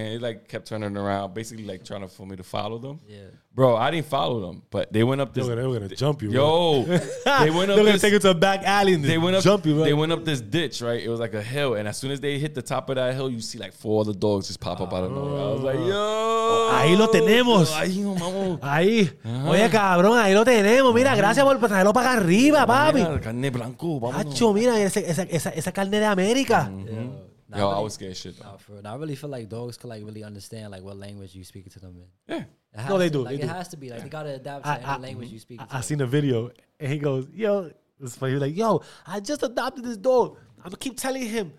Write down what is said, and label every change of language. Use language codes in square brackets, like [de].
[en] It like kept turning around, basically like trying for me to follow them. Yeah, bro, I didn't follow them, but they went up this. They were gonna jump you. Yo, bro. They went up. They were gonna take you to a back alley. And they went up. Jump you, bro. They went up this ditch, right? It was like a hill, and as soon as they hit the top of that hill, you see like four other dogs just pop up out of nowhere. I was like, yo, [es] ahí lo tenemos. Ahí, vamos. Ahí. Oye, cabrón, ahí lo tenemos. Mira, gracias por traerlo para acá arriba, papi. Carne blanco, vamos. Hacho, mira esa carne de América. [en] Mm-hmm. Yeah. Not Yo, really, I was scared shit. I really feel like dogs could like really understand like what language you speak to them in. Yeah. It has to be. Like they gotta adapt to any language you speak to. I seen a video and he goes, yo, it's funny. He's like, yo, I just adopted this dog. I'm gonna keep telling him.